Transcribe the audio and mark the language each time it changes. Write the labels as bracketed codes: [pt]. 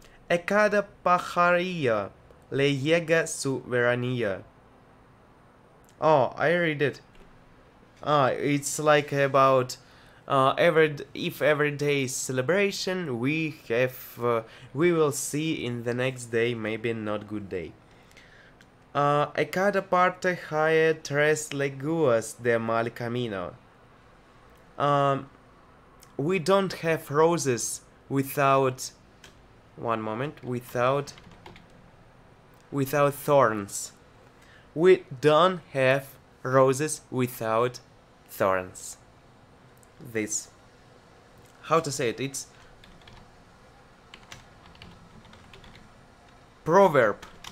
[es] A cada pajarillo le llega su veranillo. [en] Oh, I read it. It's like about every day celebration. We have we will see in the next day, maybe not good day. [es] A cada parte hay tres leguas de mal camino. [en] We don't have roses without, one moment, without thorns. We don't have roses without thorns. This, how to say it? It's proverb.